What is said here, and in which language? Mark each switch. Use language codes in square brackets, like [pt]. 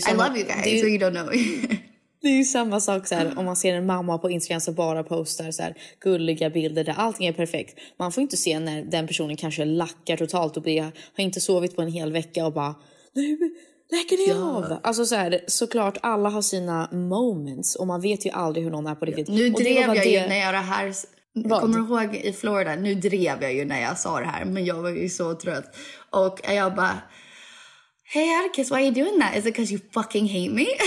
[sv] samma, [en] I love you guys, [sv] det är, [en] so you don't know me. [sv] Det är ju samma sak så här, om man ser en mamma på Instagram som bara postar så här, gulliga bilder där allting är perfekt. Man får inte se när den personen kanske lackar totalt och har inte sovit på en hel vecka och bara, nu läcker det av. Alltså så här, såklart alla har sina moments och man vet ju aldrig hur någon är på riktigt. Nu drev jag det, ju när jag det här... Vad? Kommer du ihåg i Florida? Nu drev jag ju när jag sa det här, men jag var ju så trött. Och jag bara... [en] Hey Atticus, why are you doing that? Is it because you fucking hate me?